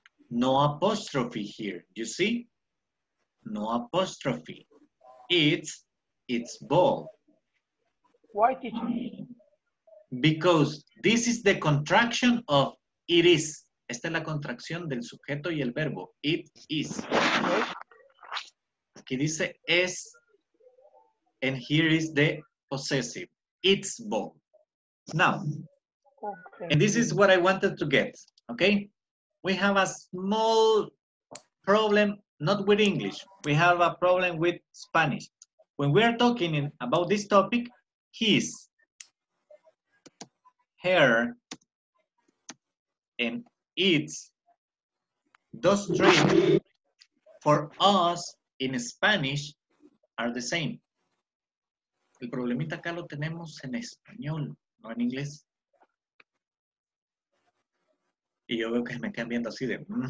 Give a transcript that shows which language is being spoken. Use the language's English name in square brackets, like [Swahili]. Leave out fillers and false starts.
[English] No apostrophe here, you see? No apostrophe. It's its ball. Why did you? Because this is the contraction of it is. [Spanish] Esta es la contracción del sujeto y el verbo. [English] It is. [Spanish] Aquí dice es. [English] And here is the possessive. It's ball. Now, okay. And this is what I wanted to get. Okay? We have a small problem, not with English. We have a problem with Spanish. When we are talking in, about this topic, his, her, and it's, those three, for us in Spanish, are the same. [Spanish] El problemita acá lo tenemos en español, no en inglés. Y yo veo que me quedan viendo así de...